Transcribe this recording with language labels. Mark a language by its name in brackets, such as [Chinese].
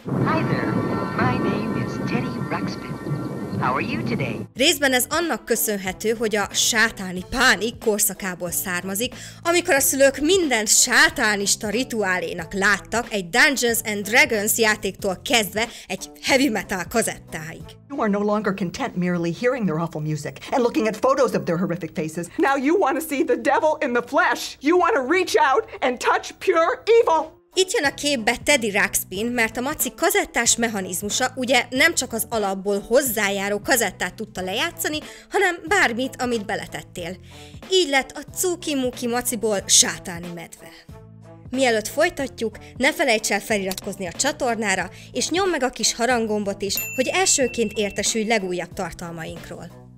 [English] Hi there, my name is Teddy Ruxpin. How are you today? [Hungarian] Részben ez annak köszönhető, hogy a sátáni pánik korszakából származik, amikor a szülők mindent sátánista rituálénak láttak egy Dungeons and Dragons játéktól kezdve egy heavy metal kazettáig. [English] You are no longer content merely hearing their awful music and looking at photos of their horrific faces. Now you want to see the devil in the flesh. You want to reach out and touch pure evil. [Hungarian] Itt jön a képbe Teddy Ruxpin, mert a Maci kazettás mechanizmusa ugye nem csak az alapból hozzájáró kazettát tudta lejátszani, hanem bármit, amit beletettél. Így lett a cuki-muki Maciból sátáni medve. Mielőtt folytatjuk, ne felejts el feliratkozni a csatornára, és nyomd meg a kis harangombot is, hogy elsőként értesülj legújabb tartalmainkról.